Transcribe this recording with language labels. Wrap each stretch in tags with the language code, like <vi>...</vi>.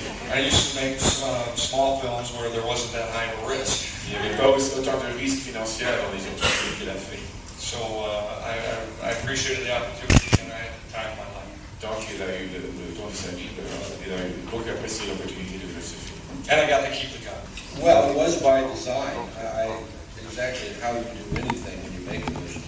<en>I used to make small films where there wasn't that high of a risk.</en> <fr>Il y avait pas autant de risques financiers dans les entreprises qu'il a fait.</fr> <en>So I appreciated the opportunity and I had the time of my life.</en> <fr>Donc il a eu le temps de sa vie, il a eu beaucoup apprécié l'opportunité de faire ce film.</fr> <en>And I got to keep the gun. Well, it was by design. It was actually how you do anything when you make a movie.</en>